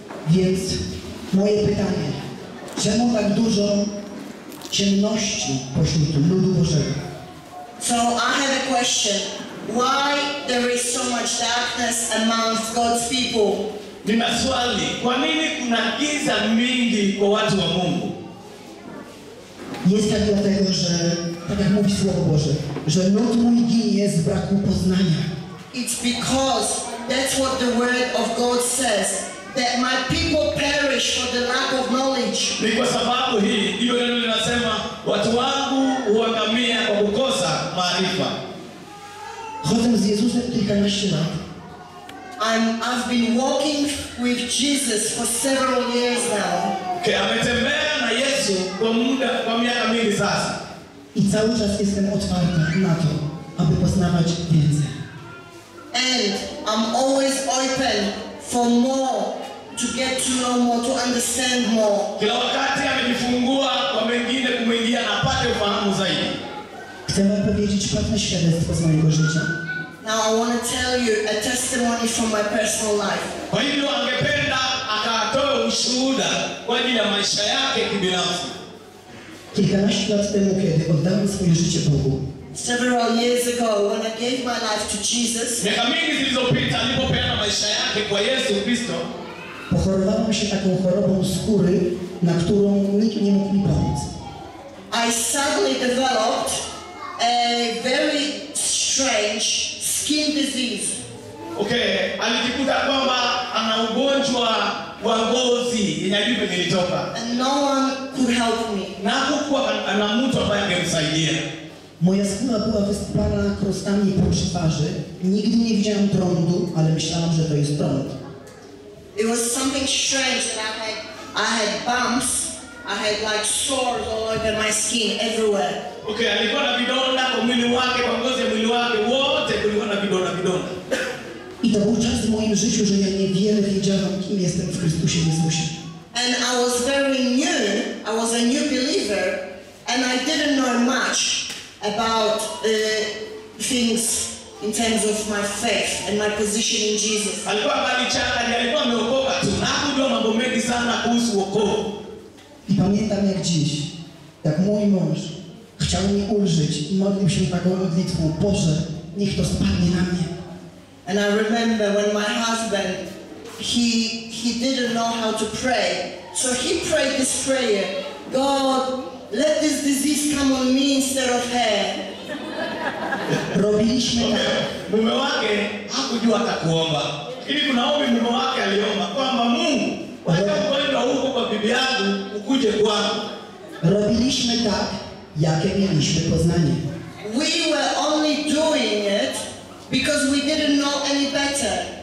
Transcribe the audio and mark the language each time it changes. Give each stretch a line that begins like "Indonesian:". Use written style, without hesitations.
Polish: Więc moje pytanie, czemu tak dużo ciemności pośród ludu Bożego?
English: So I have a question. Why there is so much darkness amongst God's people?
Swahili: Nina swali, kwa nini kuna giza mingi kwa watu wa Mungu?
Polish: Jest tak dlatego, że tak jak mówi Słowo Boże, że lud mój ginie z braku poznania.
English: It's because that's what the word of God says, that my people perish for the lack of knowledge.
Swahili: Ni kwa sababu hii ndio neno linasema watu wangu huangamia kwa kukosa maarifa.
Polish: Chodzę z Jezusem kilkanaście lat.
English: I've been walking with Jesus for several years now.
Swahili: Okay, ametembea na Yesu kwa muda kwa miaka mingi sasa.
Polish: I cały czas jestem otwarta na to, aby poznawać więcej.
English: And I'm always open for more, to get to know more, to understand more.
Swahili: Kila wakati amejifungua kwa mengine kumwingia na apate ufahamu zaidi.
Polish: Chcę wam powiedzieć pewne świadectwo z mojego życia.
English: Now I want to tell you a testimony from my personal life.
Swahili: Kwa hivyo angependa akatoe ushuhuda kwa ajili ya maisha yake kibinafsi.
Polish: Kilkanaście lat temu, kiedy oddałem swoje życie Bogu.
English: Several years ago, when I gave my life to Jesus.
Swahili: Miaka mingi zilizopita, alipopeana maisha yake kwa Yesu Kristo.
Polish: Pochorowałem się taką chorobą skóry, na którą nikt nie mógł mi pomóc.
English: I suddenly developed a very strange skin disease.
Swahili: Okay, alijikuta kwamba ana ugonjwa wa ngozi inajipe nilitoka.
English: And no one could help me.
Swahili: Na hakukuwa na mtu ambaye angemsaidia.
Polish: Moja skóra była wysypana krostami po twarzy. Nigdy nie widziałam trądu, ale myślałam, że to jest trąd.
English: It was something strange that I had bumps. I had like sores all over my skin everywhere.
Swahili: Okay, alikuwa na vidonda kwa mwili wake, kwa ngozi ya mwili wake wote kulikuwa na vidonda vidonda.
Polish: I to był czas w moim życiu, że ja niewiele wiedziałam, kim jestem w Chrystusie Jezusie.
English: And I was very new, I was a new believer, and I didn't know much about things in terms of my faith and my position in Jesus.
Swahili: Alikuwa bali chaka, alikuwa ameokoka tu, na hakujua mambo mengi sana kuhusu wokovu.
Polish: I pamiętam jak dziś, jak mój mąż chciał mi ulżyć i modlił się taką modlitwą: Boże, niech to spadnie na mnie.
English: And I remember when my husband, he didn't know how to pray. So he prayed this prayer, God, let this disease come on me instead of her.
Polish: Robiliśmy tak.
Swahili: Mume wake hakujua tak kuomba. Ili kuna ombi mume wake aliomba kwamba Mungu, wacha kwenda huko kwa bibi yangu ukuje kwangu.
Polish: Robiliśmy tak, jakie mieliśmy poznanie.
English: We were only doing it because we didn't know any better.